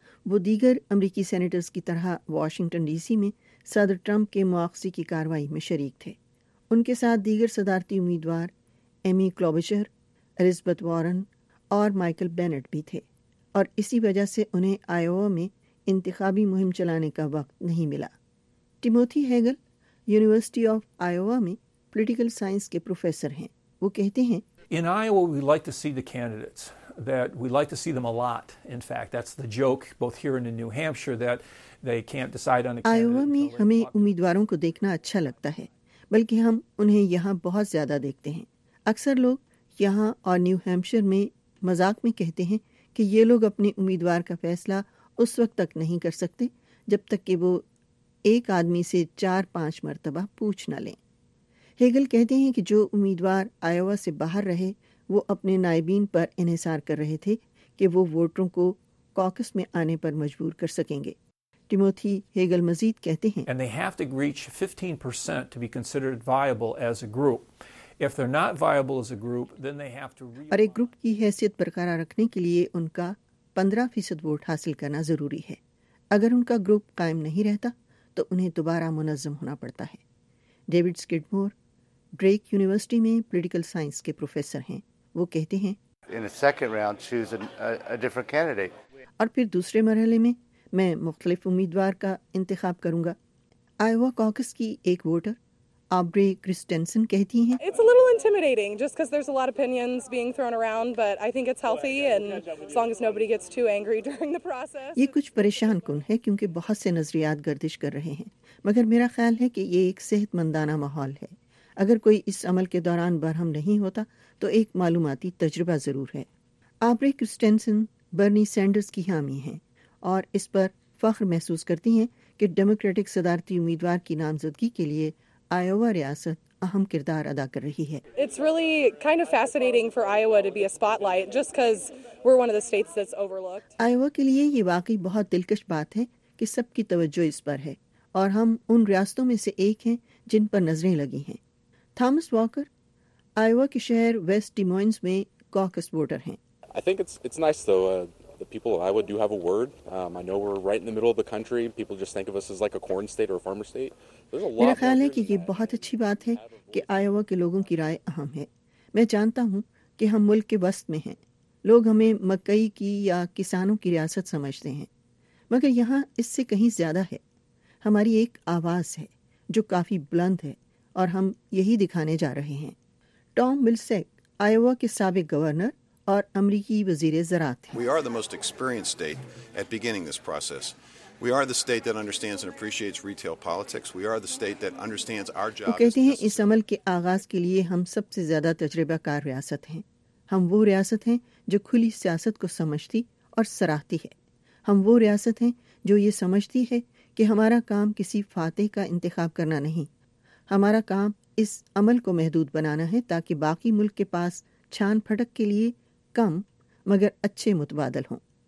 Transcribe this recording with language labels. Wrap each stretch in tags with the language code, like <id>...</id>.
<ur>وہ دیگر امریکی سینیٹرز کی طرح واشنگٹن ڈی سی میں صدر ٹرمپ کے مواخذے کی کارروائی میں شریک تھے۔ ان کے ساتھ دیگر صدارتی امیدوار ایمی کلوبچر، الزبت وارن اور مائیکل بینٹ بھی تھے، اور اسی وجہ سے انہیں آئیووا میں انتخابی مہم چلانے کا وقت نہیں ملا۔ ٹیموتھی ہیگل یونیورسٹی آف آئیووا میں پولیٹیکل سائنس کے پروفیسر ہیں، وہ کہتے ہیں</ur> <en>In Iowa, we like to see the candidates. That we like to see them a lot. In fact, that's the joke both here and in New Hampshire that they can't decide on a candidate.</en> <ur>Iowa میں ہمیں امیدواروں کو دیکھنا اچھا لگتا ہے، بلکہ ہم انہیں یہاں بہت زیادہ دیکھتے ہیں۔ اکثر لوگ یہاں اور نیو ہیمپشر میں مذاق میں کہتے ہیں کہ یہ لوگ اپنے امیدوار کا فیصلہ اس وقت تک نہیں کر سکتے جب تک کہ وہ ایک آدمی سے 4-5 مرتبہ پوچھ نہ لیں۔ ہیگل کہتے ہیں کہ جو امیدوار آئیووا سے باہر رہے وہ اپنے نائبین پر انحصار کر رہے تھے کہ وہ ووٹروں کو کاکس میں آنے پر مجبور کر سکیں گے۔ ٹیموتھی ہیگل مزید کہتے ہیں</ur> <en>And they have to reach 15% to be considered viable as a group. If they're not viable as a group, then they have to</en> <ur>اور ایک گروپ کی حیثیت برقرار رکھنے کے لیے ان کا 15% ووٹ حاصل کرنا ضروری ہے۔ اگر ان کا گروپ قائم نہیں رہتا تو انہیں دوبارہ منظم ہونا پڑتا ہے۔ ڈیوڈ سکڈمور ڈریک یونیورسٹی میں پولیٹیکل سائنس کے پروفیسر ہیں، وہ کہتے ہیں</ur> <en>In a second round, choose a different candidate.</en> <ur>اور پھر دوسرے مرحلے میں میں مختلف امیدوار کا انتخاب کروں گا۔ آئیووا کاکس کی ایک ووٹر آبری کرسٹنسن کہتی ہیں</ur> <en>It's a little intimidating just because there's a lot of opinions being thrown around but I think it's healthy and as long as nobody gets too angry during the process.</en> <ur>یہ کچھ پریشان کن ہے کیونکہ بہت سے نظریات گردش کر رہے ہیں، مگر میرا خیال ہے کہ یہ ایک صحت مندانہ ماحول ہے۔ اگر کوئی اس عمل کے دوران برہم نہیں ہوتا تو ایک معلوماتی تجربہ ضرور ہے۔ آبری کرسٹنسن برنی سینڈرز کی حامی ہیں اور اس پر فخر محسوس کرتی ہیں کہ ڈیموکریٹک صدارتی امیدوار کی نامزدگی کے لیے آئیووا ریاست اہم کردار ادا کر رہی ہے۔</ur> <en>It's really kind of fascinating for Iowa to be a spotlight just because we're one of the states that's overlooked.</en> <ur>Iowa کے لیے یہ واقعی بہت دلکش بات ہے کہ سب کی توجہ اس پر ہے اور ہم ان ریاستوں میں سے ایک ہیں جن پر نظریں لگی ہیں۔ تھامس واکر آئیووا کے شہر ویسٹ ڈیموئنز میں کاکس ووٹر ہیں۔</ur> <en>I think it's nice though the people of Iowa do have a word. I know we're right in the middle of the country. People just think of us as like a corn state or a farmer state.</en> <ur>میرا خیال ہے کہ یہ بہت اچھی بات ہے کہ آئیووا کے لوگوں کی رائے اہم ہے۔ میں جانتا ہوں کہ ہم ملک کے وسط میں ہیں، لوگ ہمیں مکئی کی یا کسانوں کی ریاست سمجھتے ہیں، مگر یہاں اس سے کہیں زیادہ ہے۔ ہماری ایک آواز ہے جو کافی بلند ہے اور ہم یہی دکھانے جا رہے ہیں۔ ٹام ملسیک آئیووا کے سابق گورنر اور امریکی وزیر زراعت ہیں۔</ur> <en>We are the most experienced state at beginning this process. We are the state that understands and appreciates retail politics. We are the state that understands our job.</en> <ur>کہتے ہیں اس عمل کے آغاز کے لیے ہم سب سے زیادہ تجربہ کار ریاست ہیں۔ ہم وہ ریاست ہیں جو کھلی سیاست کو سمجھتی اور سراہتی ہے. ہم وہ ریاست ہیں جو یہ سمجھتی ہے کہ ہمارا کام کسی فاتح کا انتخاب کرنا نہیں، ہمارا کام اس عمل کو محدود بنانا ہے تاکہ باقی ملک کے پاس چھان پھٹک کے لیے کم مگر اچھے متبادل ہوں.</ur>